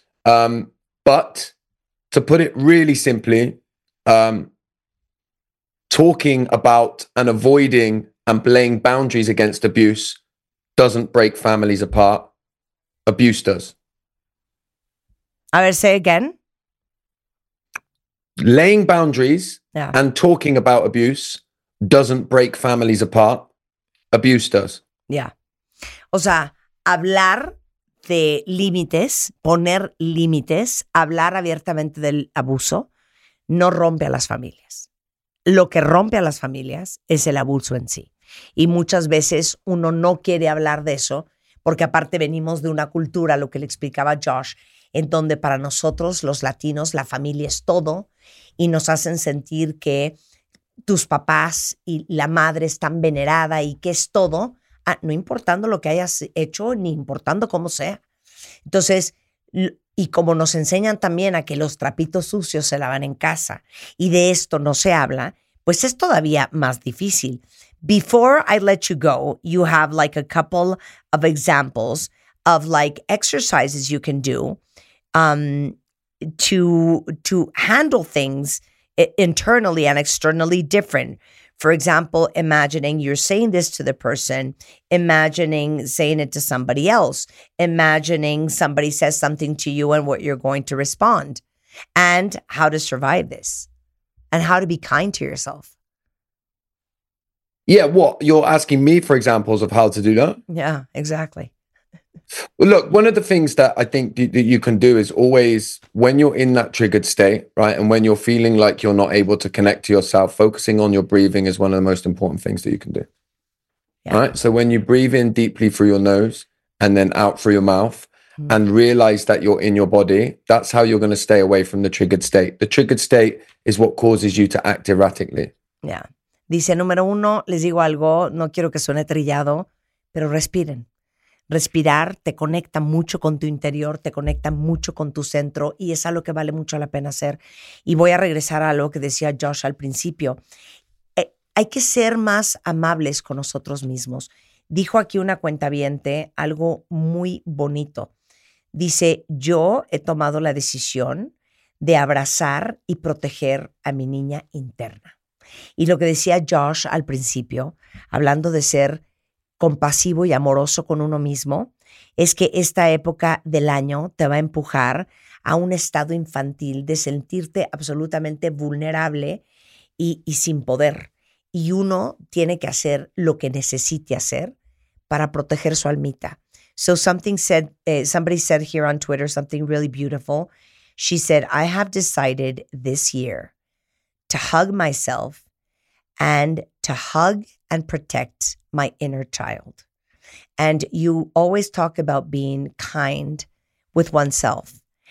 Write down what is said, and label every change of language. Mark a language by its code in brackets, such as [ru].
[en] But to put it really simply, talking about and avoiding and laying boundaries against abuse doesn't break families apart. Abuse does. I would say again. Laying boundaries and talking about abuse doesn't break families apart. Abuse does. Yeah. [es] O sea, hablar de límites, poner límites, hablar abiertamente del abuso, no rompe a las familias. Lo que rompe a las familias es el abuso en sí. Y muchas veces uno no quiere hablar de eso, porque aparte venimos de una cultura, lo que le explicaba Josh, en donde para nosotros los latinos la familia es todo, y nos hacen sentir que tus papás y la madre están venerada y que es todo, no importando lo que hayas hecho ni importando cómo sea. Entonces, y como nos enseñan también a que los trapitos sucios se lavan en casa y de esto no se habla, pues es todavía más difícil. [en] Before I let you go, you have like a couple of examples of like exercises you can do to handle things internally and externally different. For example, imagining you're saying this to the person, imagining saying it to somebody else, imagining somebody says something to you and what you're going to respond, and how to survive this, and how to be kind to yourself. Yeah, what? You're asking me for examples of how to do that? Yeah, exactly. Well, look, one of the things that I think that you can do is always, when you're in that triggered state, right, and when you're feeling like you're not able to connect to yourself, focusing on your breathing is one of the most important things that you can do. Yeah. Right. So when you breathe in deeply through your nose and then out through your mouth and realize that you're in your body, that's how you're going to stay away from the triggered state. The triggered state is what causes you to act erratically. Yeah. [es] Dice, número uno, les digo algo, no quiero que suene trillado, pero respiren. Respirar te conecta mucho con tu interior, te conecta mucho con tu centro, y es algo que vale mucho la pena hacer. Y voy a regresar a lo que decía Josh al principio. Hay que ser más amables con nosotros mismos. Dijo aquí una cuentaviente algo muy bonito. Dice, yo he tomado la decisión de abrazar y proteger a mi niña interna. Y lo que decía Josh al principio, hablando de ser compasivo y amoroso con uno mismo, es que esta época del año te va a empujar a un estado infantil de sentirte absolutamente vulnerable y sin poder. Y uno tiene que hacer lo que necesite hacer para proteger su almita. [en] So something said, somebody said here on Twitter something really beautiful. She said, I have decided this year to hug myself and to hug and protect my inner child. And you always talk about being kind with oneself.